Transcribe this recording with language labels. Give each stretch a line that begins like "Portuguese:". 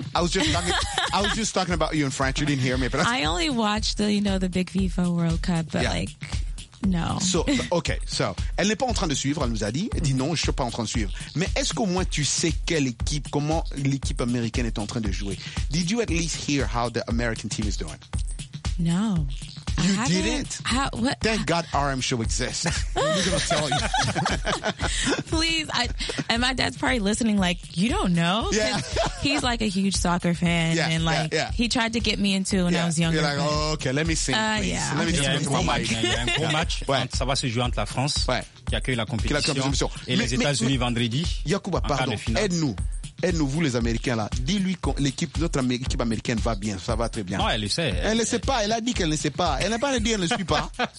English: I was just talking about you in France. You didn't hear me, but I only watched the big FIFA World Cup, but yeah.
French: Like. Non. So, elle n'est pas en train de suivre, elle nous a dit. Elle dit non, je suis pas en train de suivre. Mais est-ce qu'au moins tu sais comment l'équipe américaine est en train de jouer?
English: Did you at least hear how the American team is doing? No. You didn't? Thank God RM Show exists. I'm going to tell you. Please. And my dad's probably listening like, you don't know? Yeah. He's like a huge soccer fan. Yeah, and like, he tried to get me into when I was younger. You're like, okay, let me sing, please. Yeah. Let me just go to my mic. Match.
French: Ça va se jouer entre la France, qui accueille la compétition, et les États-Unis vendredi. Yacouba, pardon, aide-nous. Aide-nous, vous, les Américains, là. Dis-lui que notre équipe américaine va bien. Ça va très bien. Non, elle le sait. Elle ne sait pas. Elle a dit qu'elle ne sait pas. Elle n'a pas dit qu'elle ne suit pas.